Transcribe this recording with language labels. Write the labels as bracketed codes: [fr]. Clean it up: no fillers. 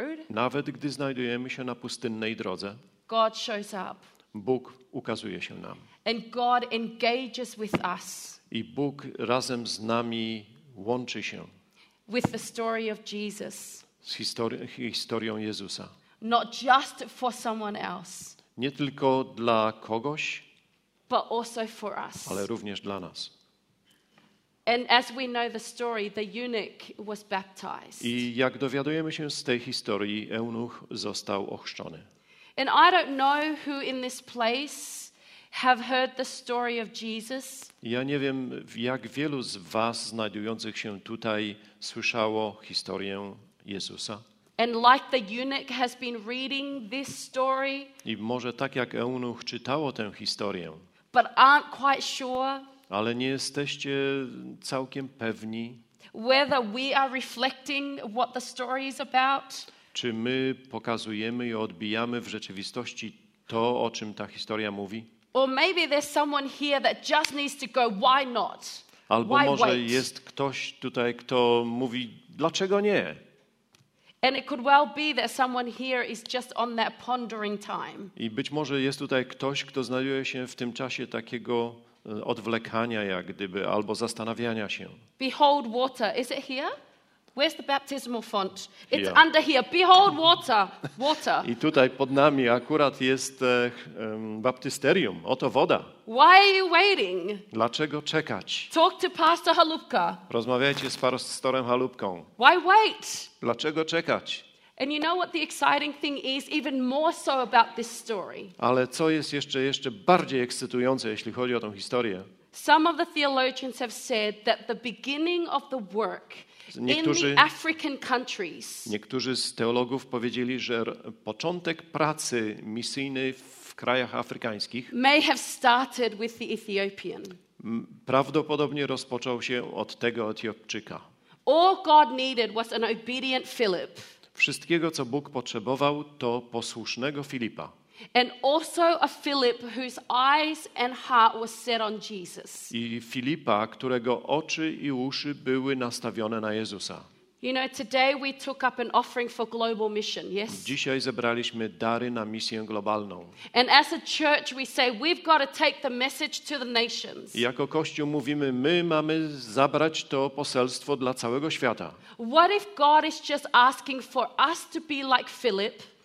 [pl] Nawet gdy znajdujemy się na pustynnej drodze, [en] God shows up. [pl] Bóg ukazuje się nam. [en] And God engages with us. [pl] I Bóg razem z nami łączy się. [en] With the story of Jesus. [pl] Z historią Jezusa. [en] Not just for someone else. [pl] Nie tylko dla kogoś, [en] but also for us. [pl] Ale również dla nas. [en] And as we know the story, the eunuch was baptized. [pl] I jak dowiadujemy się z tej historii, eunuch został ochrzczony. [en] And I don't know who in this place have heard the story of Jesus. [pl] Ja nie wiem, jak wielu z was znajdujących się tutaj słyszało historię Jezusa. [en] And like the eunuch has been reading this story. [pl] I może tak jak eunuch czytało tę historię. [en] But aren't quite sure. [pl] Ale nie jesteście całkiem pewni, [en] whether we are reflecting what the story is about, [pl] czy my pokazujemy i odbijamy w rzeczywistości to, o czym ta historia mówi. [en] Or maybe there's someone here that just needs to go, why not? [pl] Albo [en] why [pl] może [en] wait? [pl] Jest ktoś tutaj, kto mówi, dlaczego nie? [en] And it could well be that someone here is just on that pondering time. [pl] I być może jest tutaj ktoś, kto znajduje się w tym czasie takiego odwlekania, jak gdyby, albo zastanawiania się. [en] Behold water, is it here? Where's the baptismal font? It's here. Under here. Behold water, water. [pl] I tutaj pod nami akurat jest baptisterium. Oto woda. [en] Why are you waiting? [pl] Dlaczego czekać? [en] Talk to Pastor Halupka. [pl] Rozmawiajcie z pastorem Halupką. [en] Why wait? [pl] Dlaczego czekać? [en] And you know what the exciting thing is, even more so about this story. [pl] Ale co jest jeszcze bardziej ekscytujące, jeśli chodzi o tą historię? [en] Some of the theologians have said that the beginning of the work in the African countries. [pl] Niektórzy z teologów powiedzieli, że początek pracy misyjnej w krajach afrykańskich [en] may have started with the Ethiopian. [pl] Prawdopodobnie rozpoczął się od tego Etiopczyka. [en] All God needed was an obedient Philip. [pl] Wszystkiego, co Bóg potrzebował, to posłusznego Filipa. [en] And also a Philip whose eyes and heart were set on Jesus. [pl] I Filipa, którego oczy i uszy były nastawione na Jezusa. [en] You know, today we took up an offering for global mission. Yes. [pl] Dzisiaj zebraliśmy dary na misję globalną. [en] And as a church we say we've got to take the message to the nations. [pl] Jako kościół mówimy, my mamy zabrać to poselstwo dla całego świata. [en] What if God is just asking for us to be like Philip?